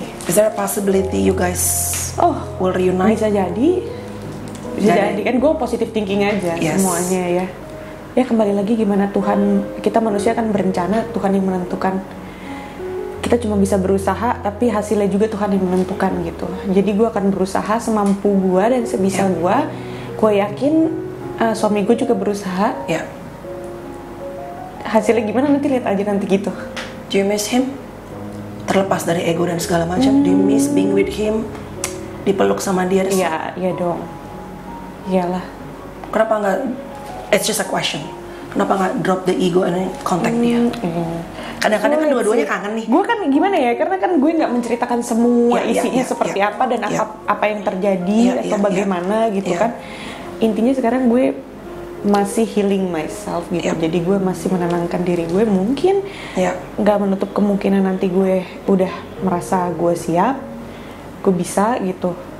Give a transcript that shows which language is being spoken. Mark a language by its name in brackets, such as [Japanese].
[English] Is there a possibility you guys will reunite? [Indonesian] Bisa jadi. Jadi kan gue positif thinking aja semuanya ya. Ya kembali lagi gimana Tuhan, kita manusia kan berencana, Tuhan yang menentukan. Kita cuma bisa berusaha, tapi hasilnya juga Tuhan yang menentukan gitu. Jadi gue akan berusaha semampu gue dan sebisa gue. Gue yakin suami gue juga berusaha. Hasilnya gimana nanti lihat aja nanti gitu. [English] Do you miss him? [Indonesian] Terlepas dari ego dan segala macam. [English] Do you miss being with him? [Indonesian] Dipeluk sama dia? Iya dong. Iyalah. Kenapa enggak, [English] it's just a question. [Indonesian] Kenapa enggak [English] drop the ego and contact [Indonesian] dia? Kadang-kadang kan dua-duanya kangen nih. Gue kan gimana ya, karena kan gue enggak menceritakan semua isinya seperti apa dan apa yang terjadi atau bagaimana gitu kan. Intinya sekarang gue masih [English] healing myself [Indonesian] gitu. Jadi gue masih menenangkan diri gue, mungkin enggak menutup kemungkinan nanti gue udah merasa gue siap, gue bisa gitu.